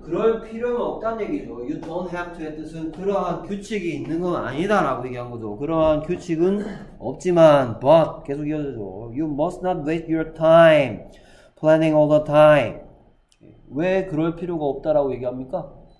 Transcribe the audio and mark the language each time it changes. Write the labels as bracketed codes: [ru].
[ko] 그럴 필요는 없다는 얘기죠. [en] You don't have to [ko] 의 뜻은 그러한 규칙이 있는 건 아니다라고 얘기한 거죠. 그러한 규칙은 없지만, but 계속 이어져죠. [en] You must not waste your time planning all the time. [ko] 왜 그럴 필요가 없다라고 얘기합니까?